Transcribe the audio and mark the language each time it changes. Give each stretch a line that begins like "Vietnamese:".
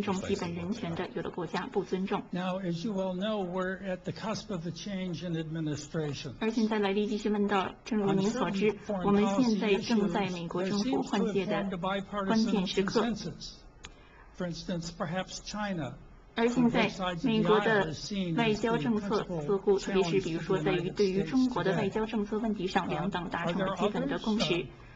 Chinese: 我对于我们过去一段时间里所进行的工作感到十分的自豪。我必须要说，有关于外交政策的很多问题都是十分复杂的。有的时候，优先事项之间可能也会有互相抵触。但是，美国从未动摇。我们知道，有的国家是尊重基本人权的，有的国家不尊重。
English: Now, as you well know, we're at the cusp of a change in administration.
Chinese: 而现在来立即去问到，正如您所知，我们现在正在美国政府换届的关键时刻。而现在，美国的外交政策似乎，特别是比如说在于对于中国的外交政策问题上，两党达成了基本的共识。